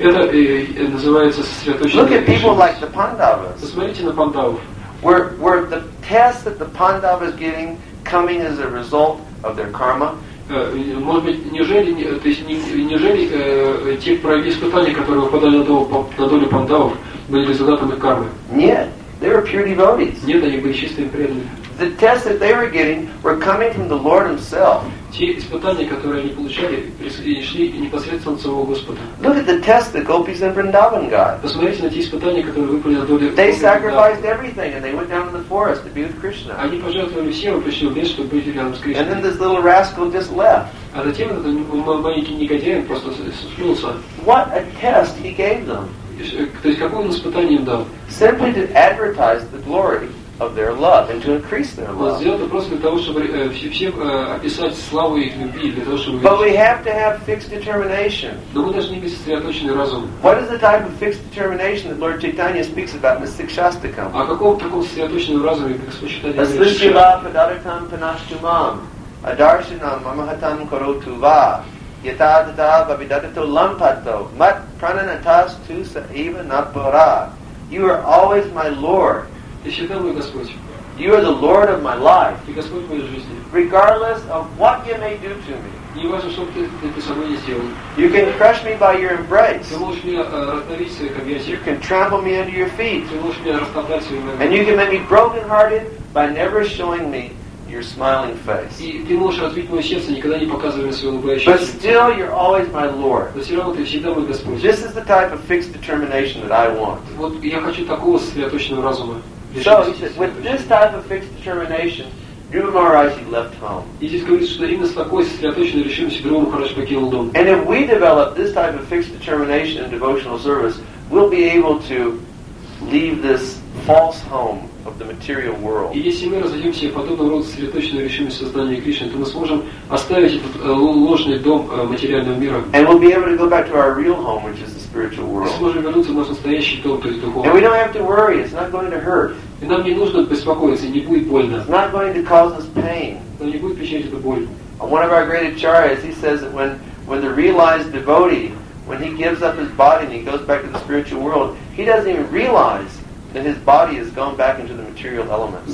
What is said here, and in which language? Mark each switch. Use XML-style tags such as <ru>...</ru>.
<ru>Это называется сосредоточенность.</ru> <en>Look at people like the Pandavas.</en> <ru>Посмотрите на Пандавов.</ru> <en>Where the test that the Pandava is getting coming as a result of their karma.</en> <ru>Может быть, неужели, то есть, неужели те испытания, которые выпадали на долю пандавов, были результатом их кармы? Нет,</ru> <en>they were pure devotees.</en> <ru>Нет, они были чистыми преданными.</ru> <en>The tests that they were getting were coming from the Lord Himself.</en> <ru>Те испытания, которые они получали, шли непосредственно от самого Господа.</ru> <en>Look at the tests that gopis in Vrindavan got.</en> <ru>Посмотрите на те испытания, которые выпали на долю.</ru> <en>They sacrificed everything and they went down to the forest to be with Krishna.</en> <ru>Они пожертвовали всем и пришли в лес, чтобы быть рядом с Кришной.</ru> <en>And then this little rascal just left.</en> <ru>А затем этот маленький негодяй просто скрылся.</ru> <en>What a test he gave them.</en> <ru>То есть какое он испытание им дал?</ru> <en>Simply to advertise the glory of their love and to increase their love.</en> <ru>Сделать это просто для того, чтобы всем описать славу их любви, для того, чтобы.</ru> <en>But we have to have fixed determination.</en> <ru>Но мы должны иметь сосредоточенный разум.</ru> <en>What is the type of fixed determination that Lord Chaitanya speaks about in the Sikshastakam?</en> <ru>А какого такого сосредоточенного разума, как сочетание?</ru> <sa>Аслишива падаритам панаштумам адаршинам мамахатам коротту ва ятадда бабидадато лампато мат прананатас ту саива напара.</sa> <en>You are always my Lord.</en> <ru>Ты всегда мой Господь.</ru> <en>You are the Lord of my life.</en> <ru>Ты Господь моей жизни.</ru> <en>Regardless of what you may do to me.</en> <ru>Не важно, что ты со мной не сделал.</ru> <en>You can crush me by your embrace.</en> <ru>Ты можешь меня раздавить своих объятий.</ru> <en>You can trample me under your feet.</en> <ru>Ты можешь меня растоптать своими ногами.</ru> <en>And you can make me brokenhearted by never showing me your smiling face.</en> <ru>И ты можешь разбить мое сердце, никогда не показывая свое улыбающееся лицо.</ru> <en>But still, you're always my Lord.</en> <ru>Но все равно ты всегда мой Господь.</ru> <en>This is the type of fixed determination that I want.</en> <ru>Вот я хочу такого сосредоточенного разума.</ru> <en>So, with this type of fixed determination, Dhruva Maharaj left home.</en> <ru>И здесь говорится, что именно с такой сосредоточенной решимостью Дхрува Махарадж покинул дом.</ru> <en>And if we develop this type of fixed determination in devotional service, we'll be able to leave this false home of the material world.</en> <ru>И если мы разовьем себе подобного рода сосредоточенную решимость создания Кришны, то мы сможем оставить этот ложный дом материального мира.</ru> <en>And we'll be able to go back to our real home, which is the spiritual world.</en> <ru>И сможем вернуться в наш настоящий дом, то есть духовный.</ru> <en>And we don't have to worry, it's not going to hurt.</en> <ru>И нам не нужно беспокоиться, не будет больно.</ru> <en>It's not going to cause us pain.</en> <ru>Но не будет причинять эту боль.</ru> <en>And one of our great acharyas, he says that when the realized devotee, when he gives up his body and he goes back to the spiritual world, he doesn't even realize that his body has gone back into the material elements.</en>